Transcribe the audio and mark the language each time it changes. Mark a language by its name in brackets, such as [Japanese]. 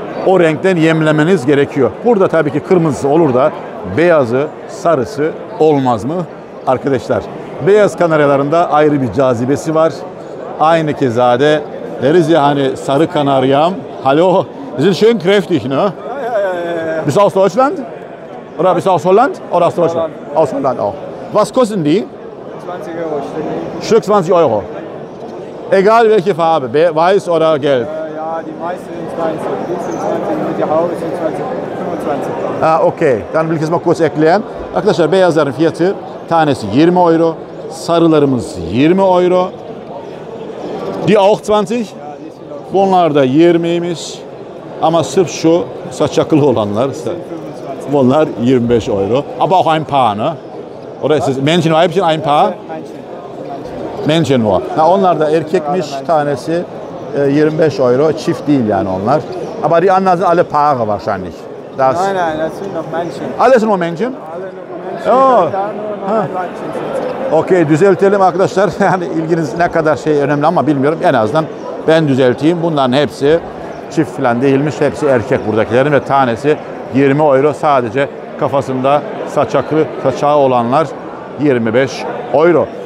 [Turkish] o renkten yemlemeniz gerekiyor. Burada tabii ki kırmızısı olur da beyazı, sarısı olmaz mı arkadaşlar? Beyaz kanaryalarında ayrı bir cazibesi var. Aynı kezade deriz ya hani sarı kanaryam. [German] Hallo, sind schön kräftig, ne? Bist aus Deutschland? Oder bist du aus Holland? Oder aus Deutschland? Aus Holland auch. Was kosten die? 20 Euro. Stück 20 Euro. Egal welche Farbe, weiß oder gelb. Ja, die meisten sind 20. Die sind 20, die Haube sind 20, 25. Ah, okay. Dann will ich es mal kurz erklären. [Turkish] Arkadaşlar, beyazların fiyatı tanesi 20 Euro. Sarılarımız 20 Euro. [German] Die auch 20? [Turkish] Bunlar da 20'ymiş. Ama sırf şu saç akıllı olanlar. Bunlar 25 Euro. [German] Aber auch ein paar, ne? Oder ist es Männchen, Weibchen, ein paar? Männchen nur. [Turkish] Ha, onlar da erkekmiş tanesi 25 Euro. Çift değil yani onlar. [German] Aber die anderen sind alle Paare wahrscheinlich. Das... Nein, nein, das sind noch Männchen. Alle sind nur Männchen? Alle nur Männchen. [Turkish] Okay, düzeltelim arkadaşlar. Yani ilginiz ne kadar şey önemli ama bilmiyorum. En azından ben düzelteyim. Bunların hepsi çift falan değilmiş. Hepsi erkek buradakilerin ve tanesi 20 euro sadece kafasında saçaklı saçağı olanlar 25 euro.